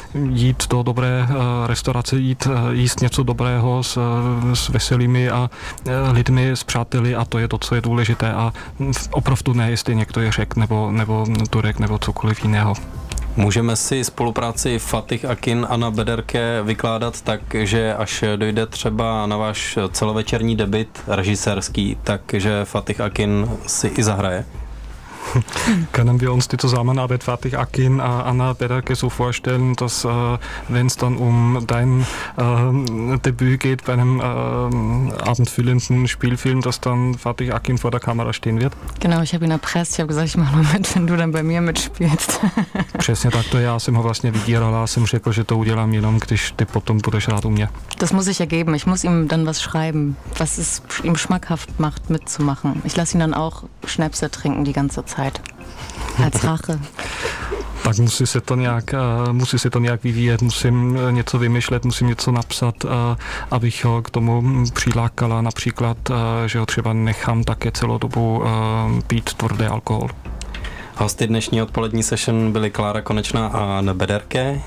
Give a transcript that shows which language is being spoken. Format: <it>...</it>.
<cs>jít do dobré restaurace, jít jíst něco dobrého s veselými a lidmi, s přáteli, a to je to, co je důležité, a opravdu ne, jestli někdo je Řek nebo Turek nebo cokoliv jiného. Můžeme si spolupráci Fatih Akin a Anna Bederke vykládat tak, že až dojde třeba na váš celovečerní debut režisérský, takže Fatih Akin si i zahraje?</cs> <de>Können wir uns die Zusammenarbeit Fatih Akin Anna Bederke so vorstellen, dass wenn es dann um dein Debüt geht bei einem abendfüllenden Spielfilm, dass dann Fatih Akin vor der Kamera stehen wird? Genau, ich habe ihn erpresst, ich habe gesagt, ich mache nur mit, wenn du dann bei mir mitspielst.</de> <cs>Přesně tak to je, já jsem ho vlastně vydíral, já jsem řekl, že to udělám jenom, když ty potom budeš rád u mě.</cs> <de>Das muss ich ergeben, ich muss ihm dann was schreiben, was es ihm schmackhaft macht mitzumachen. Ich lasse ihn dann auch Schnäpse trinken die ganze Zeit. Als Rache.</de> <cs>Tak musí se to nějak vyvíjet, musím něco vymyšlet, musím něco napsat, abych ho k tomu přilákala, například, že ho třeba nechám také celou dobu pít tvrdý alkohol. Hosty dnešní odpolední session byly Klára Konečná a Anna Bederke.</cs>